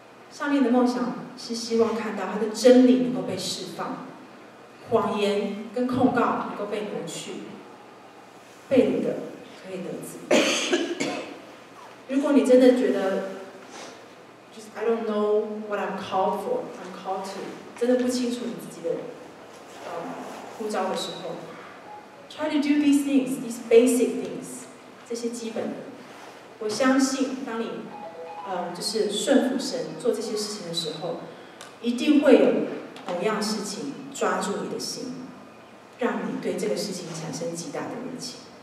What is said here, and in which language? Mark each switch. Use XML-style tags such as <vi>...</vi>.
<zh>上帝的梦想是希望看到他的真理能够被释放，谎言跟控告能够被挪去，被掳的可以得自由。如果你真的觉得就是</zh> <en>I don't know what I'm called for, I'm called to.</en> <zh>真的不清楚你自己的呼召的时候。</zh> <en>Try to do these things, these basic things,</en> <zh>这些基本的。我相信当你就是顺服神做这些事情的时候，一定会有某样事情抓住你的心，让你对这个事情产生极大的热情。</zh>